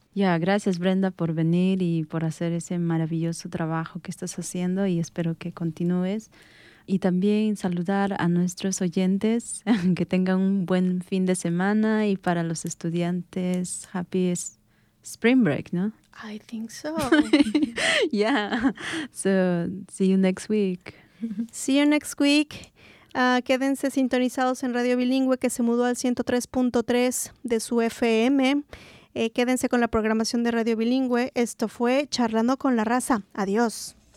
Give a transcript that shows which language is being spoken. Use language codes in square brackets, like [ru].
[es] Ya, gracias Brenda por venir y por hacer ese maravilloso trabajo que estás haciendo y espero que continúes. Y también saludar a nuestros oyentes, que tengan un buen fin de semana y para los estudiantes, [en] happy spring break, [es] ¿no? [en] I think so. Yeah, so see you next week. See you next week. [es] Quédense sintonizados en Radio Bilingüe, que se mudó al 103.3 de su FM. Quédense con la programación de Radio Bilingüe. Esto fue Charlando con la Raza. Adiós.